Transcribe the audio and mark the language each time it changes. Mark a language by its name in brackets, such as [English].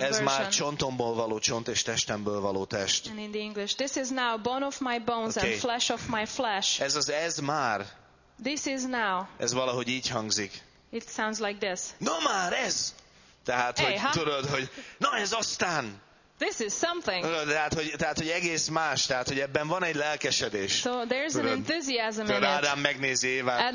[Hungarian] version. Ez már csontomból való csont és testemből való test. [English] And in the English, this is now bone of my bones and flesh of my flesh. [Hungarian] Ez az ez már. [English] This is now. [Hungarian] Ez valahogy így hangzik. It sounds like this. No már ez. Tehát hogy tudod, hogy na ez aztán. [English] This is something. [Hungarian] Tehát, hogy egész más, tehát hogy ebben van egy lelkesedés. [English] So there's an enthusiasm in it. [Hungarian] Adam megnézi Évát.